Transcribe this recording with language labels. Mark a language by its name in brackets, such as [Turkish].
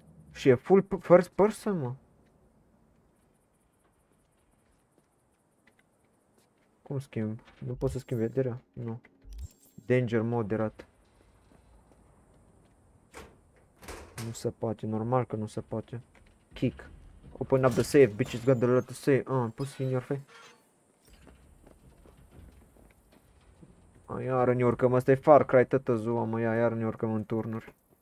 [Romanian] Și e full first person, mă. Cum schimb? Nu pot să schimb vederea? Nu. Danger moderat. Nu se poate, normal că nu se poate. [English] Kick. Open up the safe, bitches got a lot to say. Put it in your face. [Romanian] Iar ne urcăm, asta e Far Cry, tătă zua, mă, iar ne urcăm în turnuri.